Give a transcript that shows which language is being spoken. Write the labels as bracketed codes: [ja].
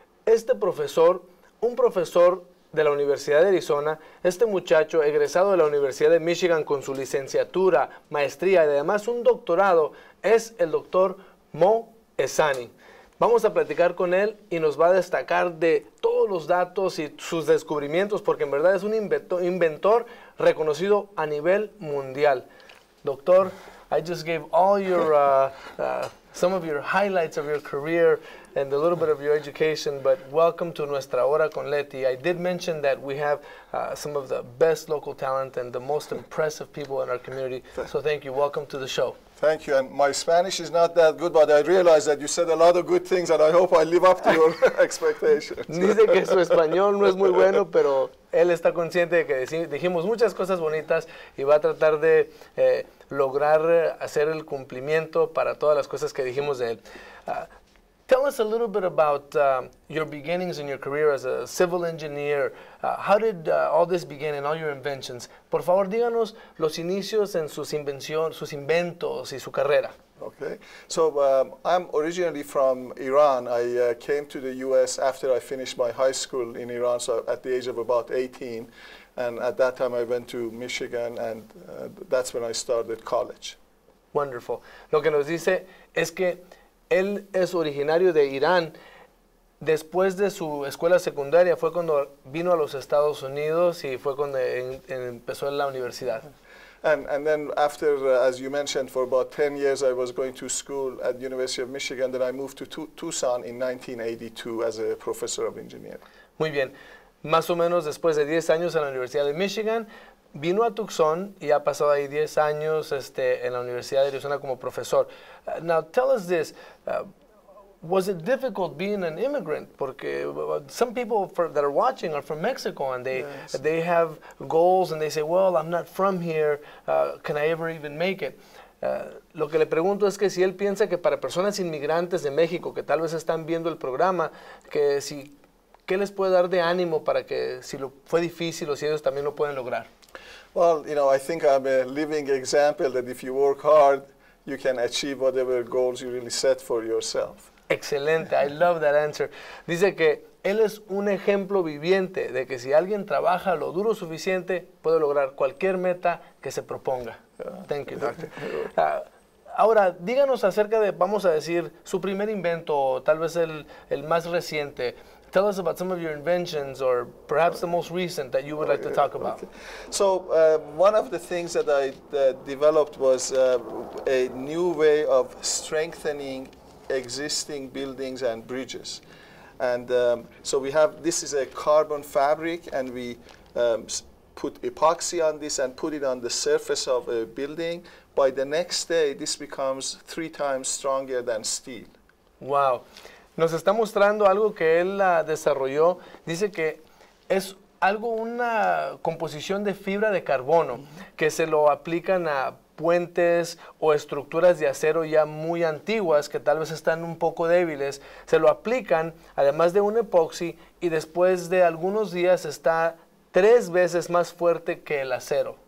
[es] Este profesor, un profesor de la Universidad de Arizona, este muchacho egresado de la Universidad de Michigan con su licenciatura, maestría y además un doctorado, es el doctor Mo Ezzani. Vamos a platicar con él y nos va a destacar de todos los datos y sus descubrimientos, porque en verdad es un inventor reconocido a nivel mundial. [en] Doctor, I just gave all your some of your highlights of your career and a little bit of your education, but welcome to Nuestra Hora con Leti. I did mention that we have some of the best local talent and the most impressive people in our community. So thank you. Welcome to the show. Thank you, and my Spanish is not that good, but I realize that you said a lot of good things, and I hope I live up to your expectations. [es] Dice que su español no es muy bueno, pero él está consciente de que dijimos muchas cosas bonitas y va a tratar de lograr hacer el cumplimiento para todas las cosas que dijimos de él. [en] Tell us a little bit about your beginnings in your career as a civil engineer. How did all this begin and all your inventions? [es] Por favor, díganos los inicios en sus invención, sus inventos y su carrera. [en] Okay. So I'm originally from Iran. I came to the U.S. after I finished my high school in Iran, so at the age of about 18. And at that time, I went to Michigan, and that's when I started college. Wonderful. [es] Lo que nos dice es que él es originario de Irán. Después de su escuela secundaria fue cuando vino a los Estados Unidos y fue cuando empezó en la universidad. [en] And then after, as you mentioned, for about 10 years I was going to school at the University of Michigan, then I moved to Tucson in 1982 as a professor of engineering. [es] Muy bien. Más o menos después de 10 años en la Universidad de Michigan, vino a Tucson y ha pasado ahí 10 años en la Universidad de Arizona como profesor. [en] Now, tell us this. Was it difficult being an immigrant? [es] Porque [en] some people that are watching are from Mexico, and they have goals, and they say, well, I'm not from here. Can I ever even make it? [es] Lo que le pregunto es que si él piensa que para personas inmigrantes de México, que tal vez están viendo el programa, que si, ¿qué les puede dar de ánimo para que si lo, fue difícil o si ellos también lo pueden lograr? [en] Well, you know, I think I'm a living example that if you work hard, you can achieve whatever goals you really set for yourself. [es] Excelente. [en] I love that answer. [es] Dice que él es un ejemplo viviente de que si alguien trabaja lo duro suficiente, puede lograr cualquier meta que se proponga. [en] Yeah. Thank you, doctor. [es] Ahora, díganos acerca de, vamos a decir, su primer invento, o tal vez el más reciente. [en] Tell us about some of your inventions, or perhaps the most recent that you would like to talk about. Okay. So one of the things that I developed was a new way of strengthening existing buildings and bridges. And so we have, this is a carbon fabric, and we put epoxy on this and put it on the surface of a building. By the next day, this becomes three times stronger than steel. [es] Wow. nos está mostrando algo que él desarrolló. Dice que es algo, una composición de fibra de carbono que se lo aplican a puentes o estructuras de acero ya muy antiguas que tal vez están un poco débiles. Se lo aplican además de un epoxi y después de algunos días está 3 veces más fuerte que el acero.